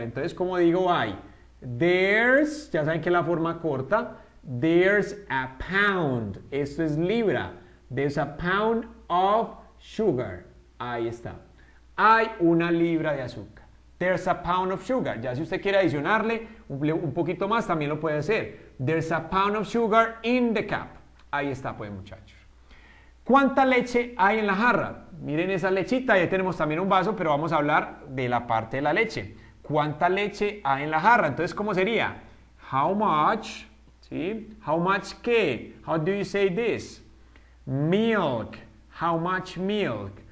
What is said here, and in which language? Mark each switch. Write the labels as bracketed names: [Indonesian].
[Spanish] Entonces, ¿cómo digo hay? [English] There's, [Spanish] ya saben que es la forma corta. [English] There's a pound. [Spanish] Esto es libra. [English] There's a pound of sugar. [Spanish] Ahí está. Hay una libra de azúcar. [English] There's a pound of sugar. [Spanish] Ya si usted quiere adicionarle un poquito más, también lo puede hacer. [English] There's a pound of sugar in the cup. [Spanish] Ahí está, pues, muchachos. ¿Cuánta leche hay en la jarra? Miren esa lechita, ya tenemos también un vaso, pero vamos a hablar de la parte de la leche. ¿Cuánta leche hay en la jarra? Entonces, ¿cómo sería? [English] How much, [Spanish] ¿sí? [English] How much qué? How do you say this? Milk, how much milk.